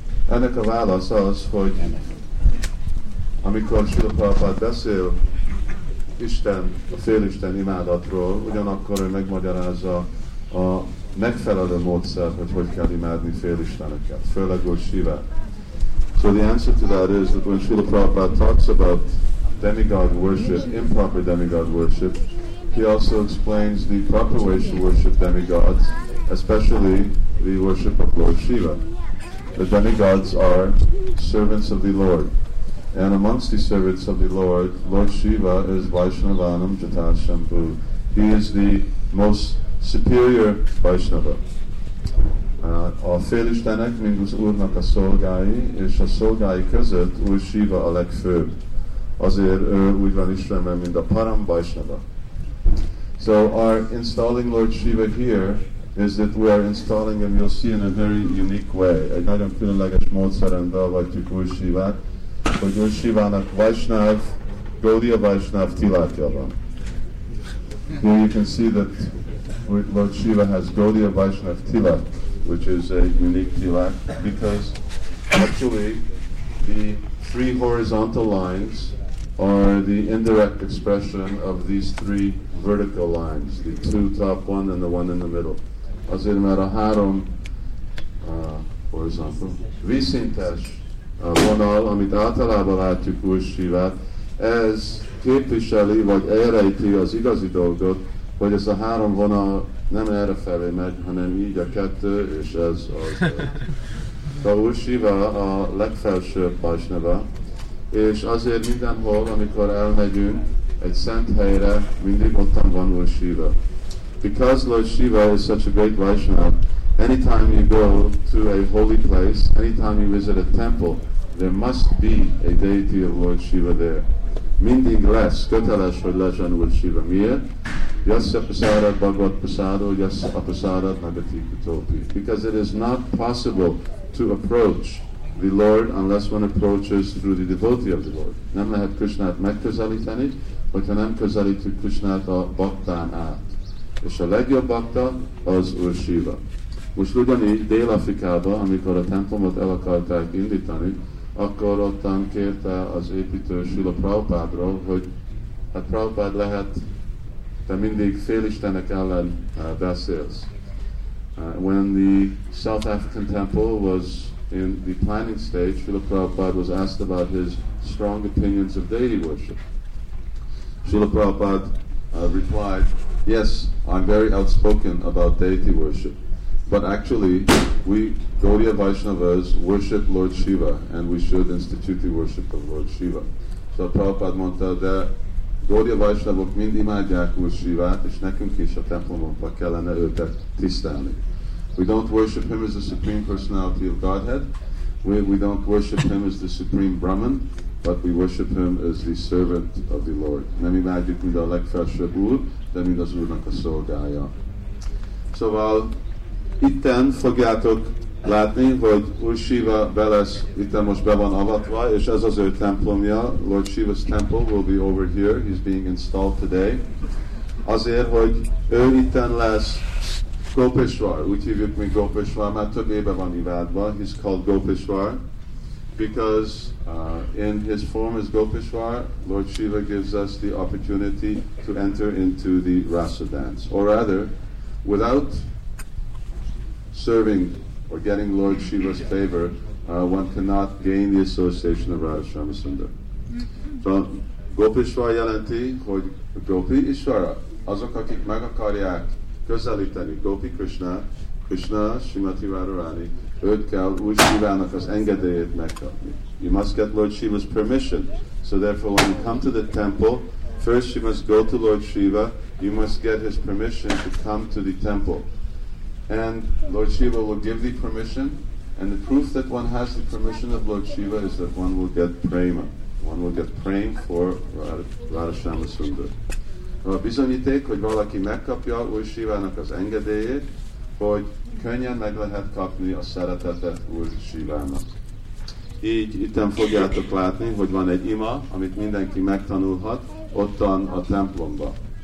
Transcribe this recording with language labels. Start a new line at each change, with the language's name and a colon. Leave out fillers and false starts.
Hungarian: Ennek a válasz az, hogy amikor Srila Prabhupada beszél Isten, a félisten imádatról, ugyanakkor ő megmagyarázza a megfelelő módszer, hogy hogy kell imádni félisteneket, főleg Lord Shiva.
English: So the answer to that is that when Srila Prabhupada talks about demigod worship, improper demigod worship, he also explains the proper way to worship demigods, especially the worship of Lord Shiva. The demigods are servants of the Lord, and amongst the servants of the Lord, Lord Shiva is Vaishnavanam Jatashambhu. He is the most superior Vaishnava.
Hungarian: A félistenek, mint az Úrnak a szolgái, és a szolgái között Úr Shiva a legfőbb. Azért ő úgy van Istenben, mint a Param Vaishnava.
English: So our installing Lord Shiva here is that we are installing him, you'll see, in a very unique way.
Hungarian: Egy nagyon különleges módszeren beavatjuk Úr Shivát, hogy Úr Shivának Vaishnav, Gaudiya Vaishnav tilátja van.
English: Here you can see that Lord Shiva has Gaudiya Vaishnav tilat, which is a unique tilak, because actually the three horizontal lines are the indirect expression of these three vertical lines, the two top one and the one in the middle.
Hungarian: Azért már a három horizontal vízszintes vonal, amit általában látjuk Úr Shivát, ez képviseli vagy elrejti az igazi dolgot, hogy ez a három vonal nem erre felé megy, hanem így a kettő, és ez az. De Úr Shiva a legfelsőbb Vaishnava, és azért mindenhol, amikor elmegyünk egy szent helyre, mindig ottan van Úr Shiva.
English: Because Lord Shiva is such a great Vaishnava, anytime you go to a holy place, anytime you visit a temple, there must be a deity of Lord Shiva there.
Hungarian: Mindig lesz, köteles, hogy legyen Úr Shiva. Miért?
Sanskrit: Yasya prasadat bhagavat prasado, yasya prasadat nagatikutopi.
English: Because it is not possible to approach the Lord unless one approaches through the devotee of the Lord.
Hungarian: Nem lehet Krishnát megközelíteni, hogyha nem közelítjük Krishnát a baktán át. És a legjobb bakta az Úr Shiva. Most ugyanígy Dél-Afrikában, amikor a templomot el akarták indítani, akkor ottan kérte az építő Srila Prabhupádról, hogy hát Prabhupád lehet, te mindig félistenek ellen beszélsz.
English: When the South African temple was in the planning stage, Srila Prabhupada was asked about his strong opinions of deity worship. Srila Prabhupada replied, yes, I'm very outspoken about deity worship. But actually, we Gaudiya Vaishnavas worship Lord Shiva, and we should institute the worship of Lord Shiva.
Hungarian: So Prabhupada mondta, de Gaudiya Vaishnavok mind imádják Úr Shivát, és nekünk is a templomokba kellene őket tisztelni.
English: We don't worship him as the Supreme Personality of Godhead. We don't worship him as the Supreme Brahman, but we worship him as the servant of the Lord.
Hungarian: Nem imádjuk, mint a legfelsőbb úr, de mint az Úrnak a szolgája. Szóval, itten fogjátok látni, hogy Úr Shiva be lesz, itten most be van avatva, és ez az ő templomja.
English: Lord Shiva's temple will be over here. He's being installed today.
Hungarian: Azért, hogy ő itten lesz Gopeshwar. Úgy hívjuk, mint Gopeshwar. Már több éve van imádva.
English: He's called Gopeshwar. Because in his form as Gopeshwar, Lord Shiva gives us the opportunity to enter into the Rasa dance. Or rather, without serving or getting Lord Shiva's favor, one cannot gain the association of Radha Shyamasundara.
Hungarian: So, Gopeshwar jelenti, hogy Gopi Ishvara, azok, akik meg akarják közelíteni Gopi Krishna, Krishna Srimati Radharani, őt kell Úr Shivának az engedélyét megkapni.
English: You must get Lord Shiva's permission. So therefore, when you come to the temple, first you must go to Lord Shiva, you must get his permission to come to the temple. And Lord Shiva will give the permission, and the proof that one has the permission of Lord Shiva is that one will get prema. One will get praying for Radha Shyama Sundar.
Hungarian: A bizonyíték, hogy valaki megkapja Úr Sivának az engedélyét, hogy könnyen meg lehet kapni a szeretetet Úr Sivának. Így itten fogjátok látni, hogy van egy ima, amit mindenki megtanulhat, ottan a templomba.